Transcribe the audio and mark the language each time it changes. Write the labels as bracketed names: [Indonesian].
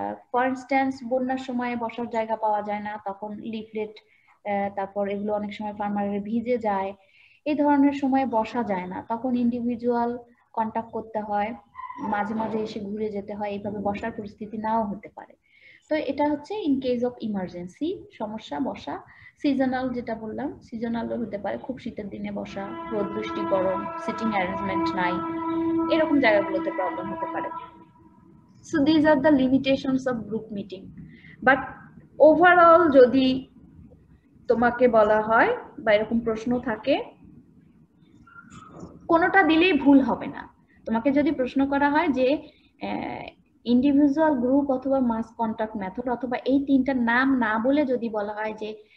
[Bangla] For instance, বন্যার সময়ে বসার জায়গা পাওয়া যায় না, তখন লিফলেট, তারপর এগুলো অনেক সময় ফার্মারের ভিজে যায়, এই ধরনের সময়ে বসা যায় না, তখন ইন্ডিভিজুয়াল কন্ট্যাক্ট করতে হয়, মাঝে মাঝে এসে ঘুরে যেতে হয়, এইভাবে বসার পরিস্থিতি নাও হতে পারে। তো এটা হচ্ছে ইন কেস অফ ইমার্জেন্সি সমস্যা বসা। সিজনাল যেটা বললাম, সিজনালও হতে পারে, খুব শীতের দিনে বসা, রোদ বৃষ্টি গরম, সিটিং অ্যারেঞ্জমেন্ট নাই, এরকম জায়গাগুলোতে প্রবলেম হতে পারে। [English] So these are the limitations of group meeting. But overall, [Bangla] যদি তোমাকে বলা হয় বা এরকম প্রশ্ন থাকে, কোনোটা দিলেই ভুল হবে না। তোমাকে যদি প্রশ্ন করা হয় যে ইন্ডিভিজুয়াল, গ্রুপ অথবা মাস কন্ট্যাক্ট মেথড, অথবা এই তিনটার নাম না বলে যদি বলা হয় যে